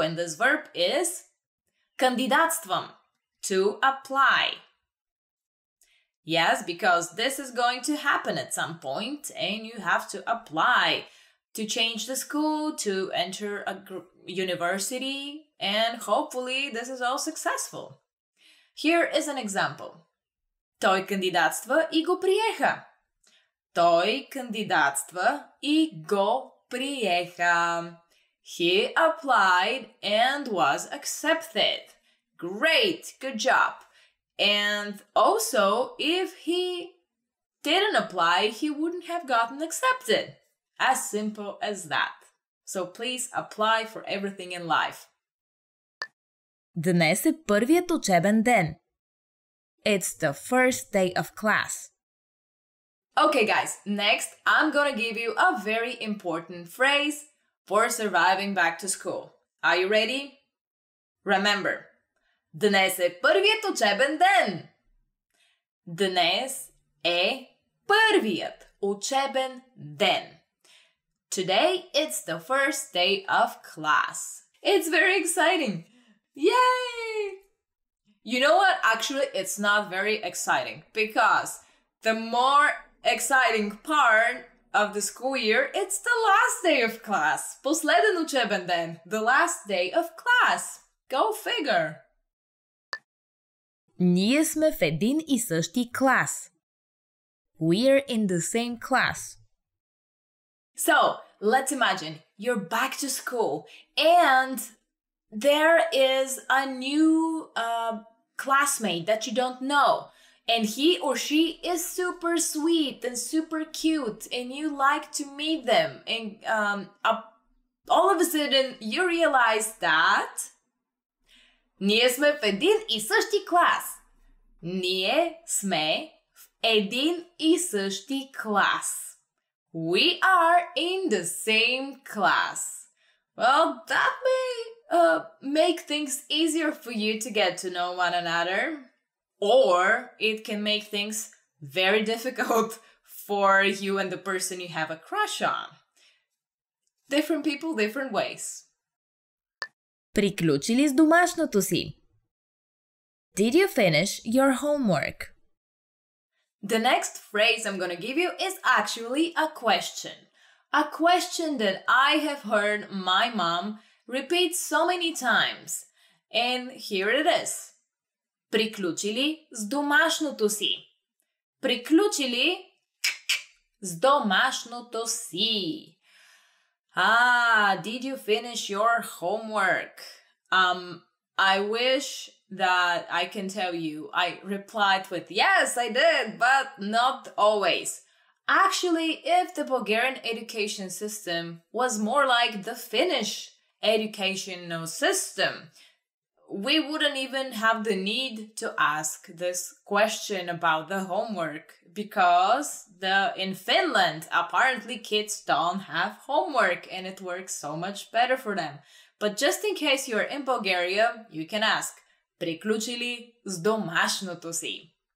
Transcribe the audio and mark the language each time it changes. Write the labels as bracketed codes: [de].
[en] And this verb is кандидатствам, to apply. Yes, because this is going to happen at some point and you have to apply to change the school, to enter a university, and hopefully this is all successful. Here is an example. [bg] Той кандидатства и го приеха. Той кандидатства и го приеха. [en] He applied and was accepted. Great! Good job! And also, if he didn't apply, he wouldn't have gotten accepted. As simple as that. So please apply for everything in life. [bg] Днес е първият учебен ден. [en] It's the first day of class. Okay, guys, next I'm gonna give you a very important phrase for surviving back to school. Are you ready? [bg] Remember, днес е първият учебен ден. Днес е първият учебен ден. [en] Today it's the first day of class. It's very exciting. Yay! You know what? Actually, it's not very exciting because the more exciting part of the school year, it's the last day of class. [bg] Последен учебен ден. [en] The last day of class. Go figure. [bg] Ние сме в един и същи клас. [en] We're in the same class. So, let's imagine you're back to school and there is a new classmate that you don't know. And he or she is super sweet and super cute and you like to meet them. And all of a sudden, you realize that [bg] ние сме в един и същи клас. Ние сме в един и същи клас. [en] We are in the same class. Well, that may make things easier for you to get to know one another. Or it can make things very difficult for you and the person you have a crush on. Different people, different ways. [bg] Приключили с домашното си. [en] Did you finish your homework? The next phrase I'm going to give you is actually a question. A question that I have heard my mom repeat so many times. And here it is. [bg] Приключили с домашното си. Приключили с домашното си. [en] Ah, did you finish your homework? I wish that I can tell you I replied with yes, I did, but not always. Actually, if the Bulgarian education system was more like the Finnish educational system, we wouldn't even have the need to ask this question about the homework because in Finland, apparently kids don't have homework and it works so much better for them. But just in case you're in Bulgaria, you can ask. [bg] Приключили с домашното си.